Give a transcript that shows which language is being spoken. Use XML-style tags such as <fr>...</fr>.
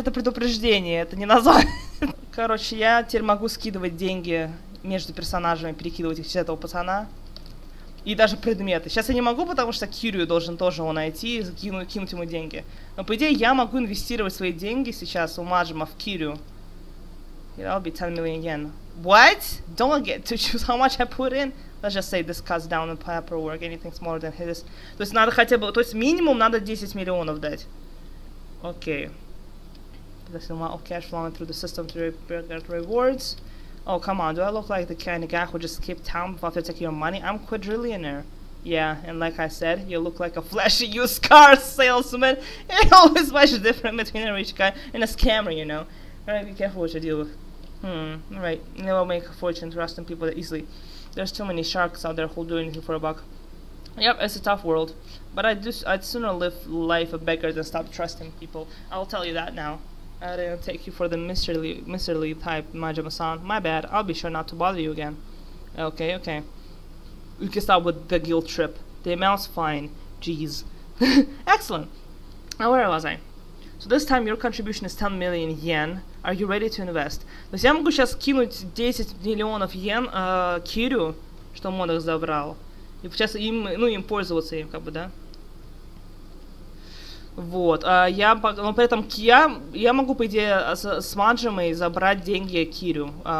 <ru>Это предупреждение. Это не название. Короче, я теперь могу скидывать деньги между персонажами, перекидывать их через этого пацана. И даже предметы. Сейчас я не могу, потому что Кирю должен тоже его найти и кинуть ему деньги. Но, по идее, я могу инвестировать свои деньги сейчас у Маджима в Кирю. И это будет 10 миллионов йен.</ru> <en>What? Don't get to choose how much I put in. Let's just say this cuts down on paperwork. Anything smaller than his.</en> <ru>То есть надо хотя бы... То есть минимум надо 10 миллионов дать. Окей.</ru> <en>Okay. This amount of cash flowing through the system to get rewards. Oh, come on, do I look like the kind of guy who just skipped town after taking your money? I'm quadrillionaire. Yeah, and like I said, you look like a flashy used car salesman. It always makes a difference between a rich guy and a scammer, you know. Alright, be careful what you deal with. Alright, never make a fortune trusting people that easily. There's too many sharks out there who'll do anything for a buck. Yep, it's a tough world. But I'd sooner live life a beggar than stop trusting people. I'll tell you that now. I didn't take you for the miserly type, Majima-san. My bad. I'll be sure not to bother you again. Okay, okay. We can start with the guilt trip. The amount's fine. Jeez. Excellent. Now, where was I? So this time your contribution is 10 million yen. Are you ready to invest?</en> <ru>То есть я могу сейчас кинуть 10 миллионов йен Кирю, что мод их забрал. И сейчас им, ну, им пользоваться им, как бы, да? Вот, но при этом я могу, по идее, с Маджимой забрать деньги Кирю.</ru>